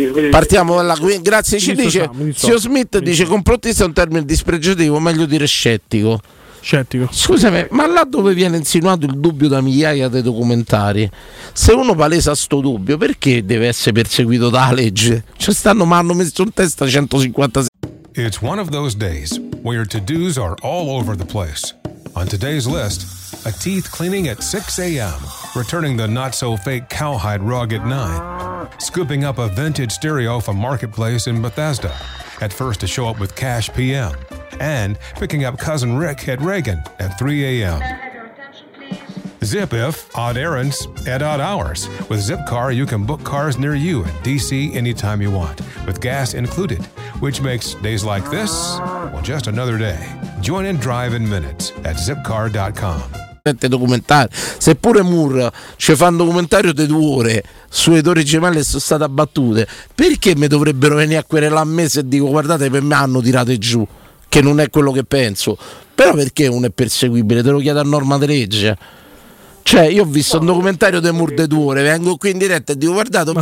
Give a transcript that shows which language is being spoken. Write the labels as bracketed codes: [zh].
[it] Partiamo dalla grazie. Ci dice Zio Smith, dice complottista è un termine dispregiativo, meglio dire scettico. Scusami, ma là dove viene insinuato il dubbio da migliaia di documentari, se uno palesa sto dubbio, perché deve essere perseguito dalla legge? Ci stanno, ma hanno messo in testa 156. [en] It's one of those days where your to-dos are all over the place. On today's list, a teeth cleaning at 6 a.m., returning the not-so-fake cowhide rug at 9, scooping up a vintage stereo from Marketplace in Bethesda, at first to show up with cash PM, and picking up cousin Rick at Reagan at 3 a.m. Zip if, odd errands, at odd hours. With Zipcar, you can book cars near you in D.C. anytime you want, with gas included, which makes days like this, well, just another day. Join and drive in minutes at zipcar.com. [it] Documentari. Seppure Moore ci fa un documentario di 2 ore sui Tori Gemelli e sono state abbattute, perché mi dovrebbero venire a querelare a me se dico guardate per me hanno tirate giù, che non è quello che penso? Però perché uno è perseguibile? Te lo chiedo a norma di legge. Cioè, io ho visto un documentario di Moore di 2 ore, vengo qui in diretta e dico guardate,